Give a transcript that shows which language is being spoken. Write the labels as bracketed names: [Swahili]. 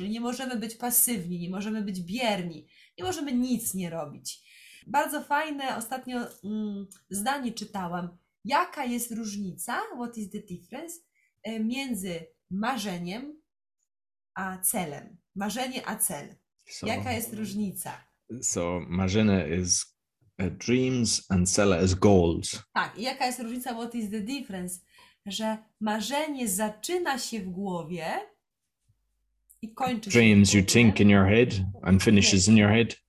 [Polish] Czyli nie możemy być pasywni, nie możemy być bierni, nie możemy nic nie robić. Bardzo fajne ostatnio zdanie czytałam. Jaka jest różnica, [English] what is the difference, [Polish] między marzeniem a celem? Marzenie a cel. So, jaka jest różnica? [English] So, marzenie is dreams and cel is goals. [Polish] Tak, i jaka jest różnica, [English] what is the difference? [Polish] Że marzenie zaczyna się w głowie i kończy się [English] dreams you think in your head and finishes in your head.